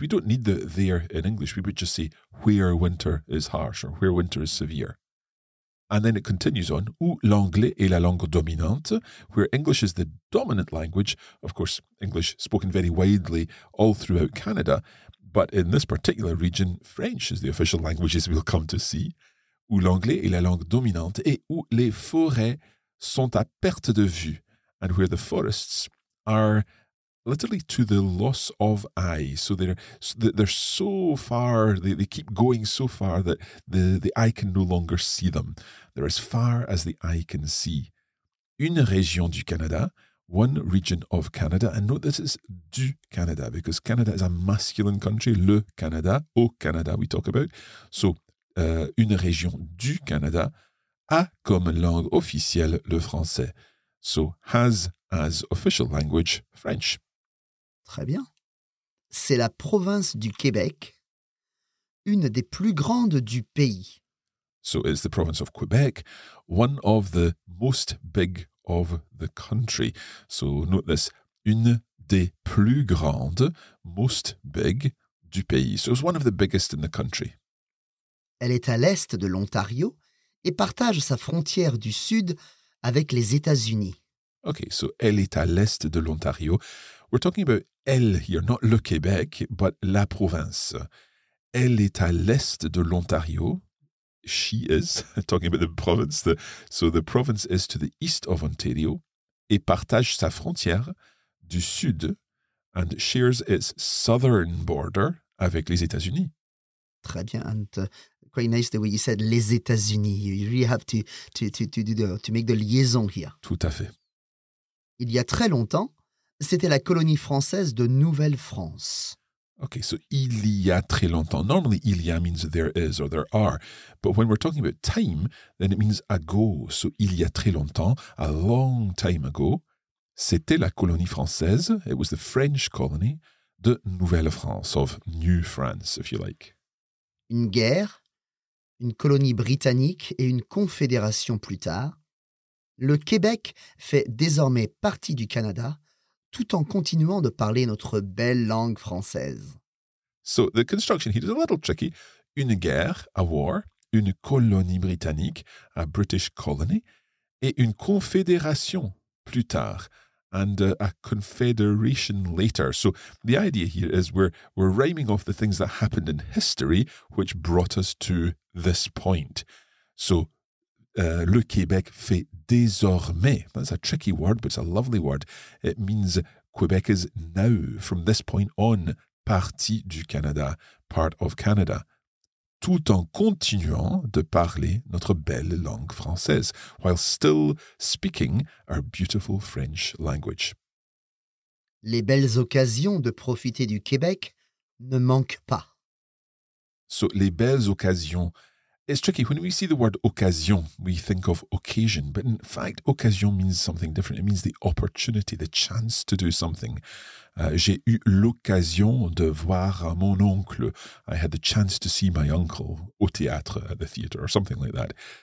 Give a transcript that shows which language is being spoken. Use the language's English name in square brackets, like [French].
[English] We don't need the there in English. We would just say where winter is harsh or where winter is severe. And then it continues on, [French] où l'anglais est la langue dominante, [English] where English is the dominant language. Of course, English spoken very widely all throughout Canada. But in this particular region, French is the official language, as we'll come to see. [French] Où l'anglais est la langue dominante et où les forêts sont à perte de vue. [English] And where the forests are literally to the loss of eye. So they're so far, they keep going so far that the eye can no longer see them. They're as far as the eye can see. [French] Une région du Canada, [English] one region of Canada. And note this is du Canada, because Canada is a masculine country. [French] Le Canada, au Canada [English] we talk about. [French] So une région du Canada a comme langue officielle le français. [English] So has as official language French. [French] Très bien. C'est la province du Québec, une des plus grandes du pays. [English] So it's the province of Quebec, one of the most big of the country. So note this, [French] une des plus grandes, [English] most big, [French] du pays. [English] So it's one of the biggest in the country. [French] Elle est à l'est de l'Ontario et partage sa frontière du sud avec les États-Unis. Okay, so elle est à l'est de l'Ontario. [English] We're talking about elle here, not le Québec, but la province. [French] Elle est à l'est de l'Ontario. [English] She is, talking about the province. The province is to the east of Ontario [French] et partage sa frontière du sud [English] and shares its southern border [French] avec les États-Unis. Très bien, [English] and quite nice the way you said les États-Unis. You really have to make the liaison here. [French] Tout à fait. Il y a très longtemps, c'était la colonie française de Nouvelle-France. Okay, so il y a très longtemps. [English] Normally, il y a means there is or there are. But when we're talking about time, then it means ago. So [French] il y a très longtemps, [English] a long time ago, [French] c'était la colonie française, [English] it was the French colony, de Nouvelle-France, of New France, if you like. [French] Une guerre, une colonie britannique et une confédération plus tard. Le Québec fait désormais partie du Canada, tout en continuant de parler notre belle langue française. [English] So, the construction here is a little tricky. [French] Une guerre, [English] a war, [French] une colonie britannique, [English] a British colony, [French] et une confédération plus tard, [English] and a confederation later. So, the idea here is we're rhyming off the things that happened in history which brought us to this point. [French] So, le Québec fait désormais. [English] That's a tricky word, but it's a lovely word. It means Quebec is now, from this point on, [French] partie du Canada, [English] part of Canada. [French] tout en continuant de parler notre belle langue française, [English] while still speaking our beautiful French language. [French] Les belles occasions de profiter du Québec ne manquent pas. So, les belles occasions. [English] It's tricky. When we see the word occasion, we think of occasion. But in fact, occasion means something different. It means the opportunity, the chance to do something. [French] J'ai eu l'occasion de voir mon oncle. [English] I had the chance to see my uncle [French] au théâtre, [English] at the theater, or something like that.